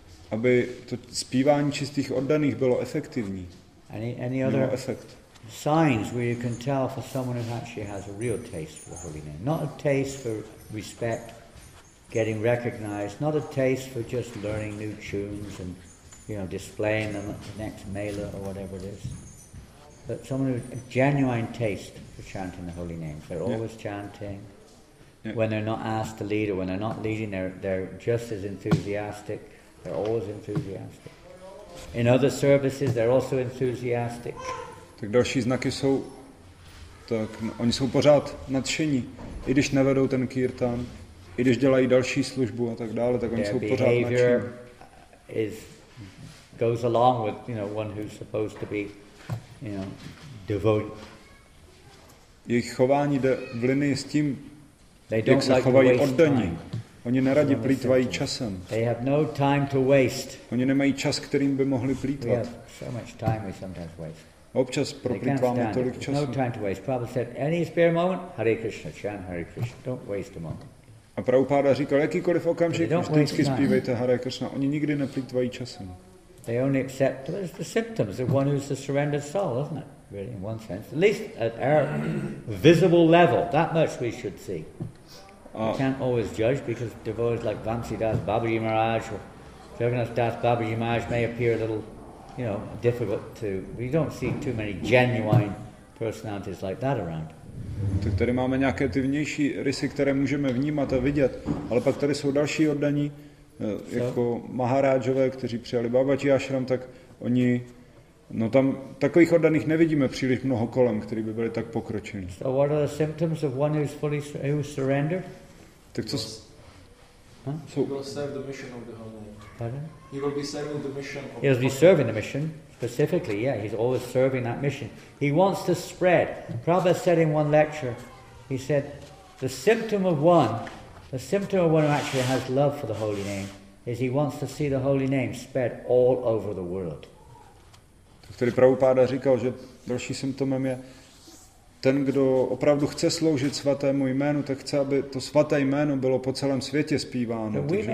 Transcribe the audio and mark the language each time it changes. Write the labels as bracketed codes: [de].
[cs] Aby to zpívání čistých oddaných bylo efektivní. [en] Any other efekt. Signs where you can tell for someone who actually has a real taste for the holy name. Not a taste for respect, getting recognized, not a taste for just learning new tunes and, you know, displaying them at the next mela or whatever it is. But someone with a genuine taste for chanting the holy names. They're always chanting. Yeah. When they're not asked to lead or when they're not leading, they're just as enthusiastic. They're always enthusiastic. In other services, they're also enthusiastic. [cs] Tak další znaky jsou, tak oni jsou pořád nadšení. I když nevedou ten kirtan, i když dělají další službu a tak dále, tak oni jsou pořád nadšení. [en] Their behavior goes along with, you know, one who's supposed to be, you know, devote. [cs] Jejich chování jde v linii s tím, jak se chovají oddaní. Oni neradi plýtvají časem. [en] They have no time to waste. [cs] Oni nemají čas, kterým by mohli plýtvat. [en] So much time we sometimes waste. [cs] Občas proplýtváme tolik času. [en] No time to waste. Prabhupada said, any spare moment, Hare Krishna, chant Hare Krishna. Don't waste a moment. [cs] A Prabhupada říkal, jakýkoliv okamžik, vždycky zpívejte Hare Krishna. Oni nikdy neplýtvají časem. [en] They only accept the symptoms of one who's a surrendered soul, isn't it? Really, in one sense. At least at our visible level, that much we should see. We can't always judge because devotees like Vamsidas Babaji Maharaj or Jagannath Das Babaji Maharaj may appear a little, you know, difficult to. We don't see too many genuine personalities like that around. [cs] Tak tady máme nějaké ty vnější rysy, které můžeme vnímat a vidět, ale pak tady jsou další oddaní. Jako maharádžové, kteří přijali Babaji Ashram, tak oni No tam takových oddaných nevidíme příliš mnoho kolem, kteří by byli tak pokročení. [en] So what are the symptoms of one who's fully who surrendered? [cs] Tak co? [en] So he will serve the mission of the Holy Name. He will be serving the mission. He will be serving the mission specifically. Yeah, he's always serving that mission. He wants to spread. Prabhupada said in one lecture, he said, the symptom of one who actually has love for the Holy Name is he wants to see the Holy Name spread all over the world. [cs] Který Prabhupáda říkal, že další symptomem je ten, kdo opravdu chce sloužit svatému jménu, tak chce, aby to svaté jméno bylo po celém světě zpíváno.